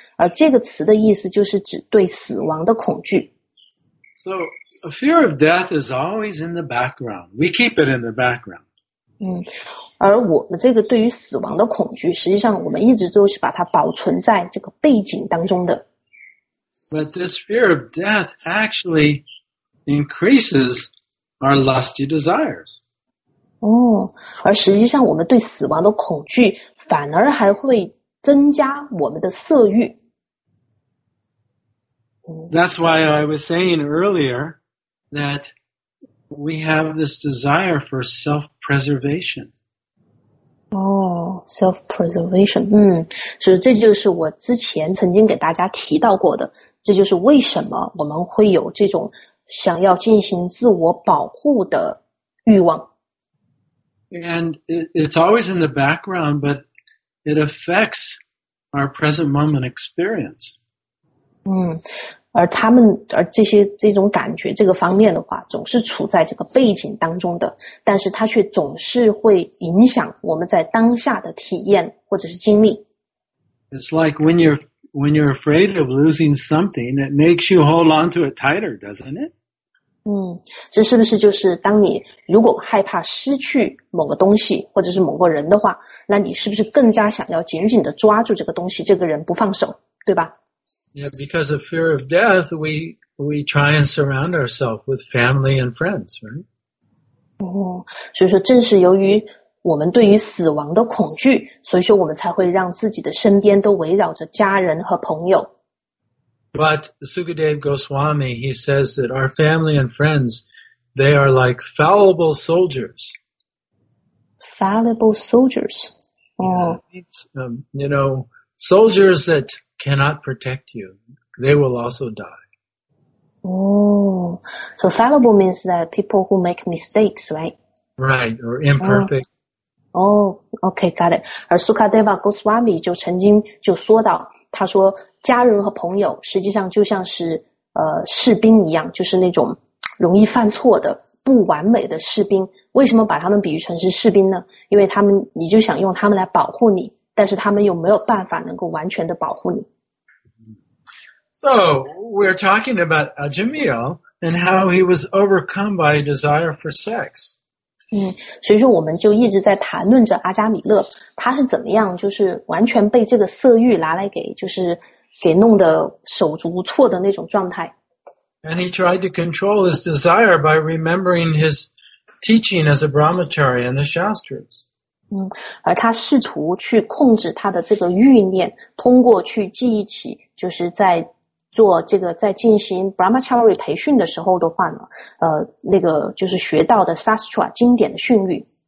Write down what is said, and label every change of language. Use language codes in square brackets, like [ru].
[zh] 而这个词的意思就是指对死亡的恐惧。 [en] So, a fear of death is always in the background. We keep it in the background. [zh] 而我们这个对于死亡的恐惧，实际上我们一直都是把它保存在这个背景当中的。 [en] But this fear of death actually increases our lusty desires. [zh] 而实际上我们对死亡的恐惧反而还会增加我们的色欲。 [en] That's why I was saying earlier that we have this desire for self-preservation. Self-preservation. [zh] 所以这就是我之前曾经给大家提到过的，这就是为什么我们会有这种想要进行自我保护的欲望。 [en] And it's always in the background, but it affects our present moment experience. [zh] 而这些这种感觉这个方面的话，总是处在这个背景当中的，但是它却总是会影响我们在当下的体验或者是经历。 [en] It's like when you're when you're afraid of losing something, it makes you hold on to it tighter, doesn't it? [zh] 嗯，这是不是就是当你如果害怕失去某个东西或者是某个人的话，那你是不是更加想要紧紧地抓住这个东西，这个人不放手，对吧？ [en] Yeah, because of fear of death, we try and surround ourselves with family and friends, right? [zh] 所以说正是由于我们对于死亡的恐惧，所以说我们才会让自己的身边都围绕着家人和朋友。 [en] But Sukadev Goswami, he says that our family and friends, they are like fallible soldiers. Fallible soldiers. You know, soldiers that cannot protect you, they will also die. So fallible means that people who make mistakes, right? Right, or imperfect. Okay, got it. [zh] 而 Sukadev Goswami 就曾经就说到，他说家人和朋友实际上就像是士兵一样，就是那种容易犯错的不完美的士兵。为什么把他们比喻成是士兵呢？因为他们，你就想用他们来保护你，但是他们又没有办法能够完全的保护你。 [en] So we're talking about Ajimiyo and how he was overcome by a desire for sex. [zh] 所以说我们就一直在谈论着阿加米勒，他是怎么样，就是完全被这个色欲拿来给，就是给弄得手足无措的那种状态。 [en] And he tried to control his desire by remembering his teaching as a brahmachari and the shastras. [zh] 而他试图去控制他的这个欲念，通过去记忆起，就是在做这个在进行 brahmachari 培训的时候的话呢，那个就是学到的 shastra 经典的训谕。